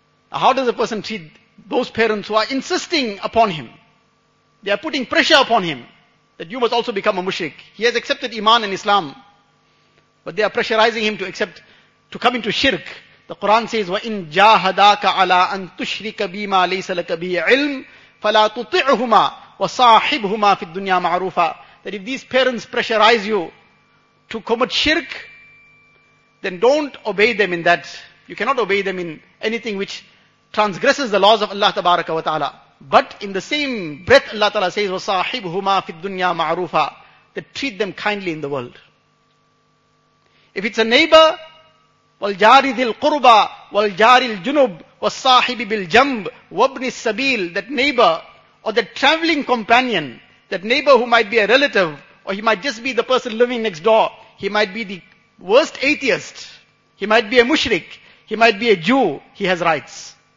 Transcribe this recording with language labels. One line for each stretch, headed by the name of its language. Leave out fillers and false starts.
English: How does a person treat those parents who are insisting upon him? They are putting pressure upon him that you must also become a mushrik. He has accepted Iman and Islam, but they are pressurizing him to accept, to come into shirk. The Quran says,
Arabic: وَإِن جَاهَدَاكَ عَلَىٰ أَن تُشْرِكَ بِمَا لَيْسَ لَكَ بِهِ عِلْمٌ فَلَا تُطِعْهُمَا وَصَاحِبْهُمَا فِي الدُّنْيَا مَعْرُوفًا.
English: That if these parents pressurize you to commit shirk, then don't obey them in that. You cannot obey them in anything which transgresses the laws of Allah tabaraka wa ta'ala. But in the same breath, Allah ta'ala says,
Arabic: وَصَاحِبْهُمَا فِي الدُّنْيَا مَعْرُوفًا.
English: That treat them kindly in the world. If it's a neighbor,
Arabic: وَالْجَارِ ذِي الْقُرْبَى وَالْجَارِ الْجُنُبِ وَالصَّاحِبِ بِالْجَنْبِ وَابْنِ السَّبِيلِ.
English: That neighbor or that traveling companion, that neighbor who might be a relative or he might just be the person living next door, he might be the worst atheist, he might be a mushrik, he might be a Jew, he has rights.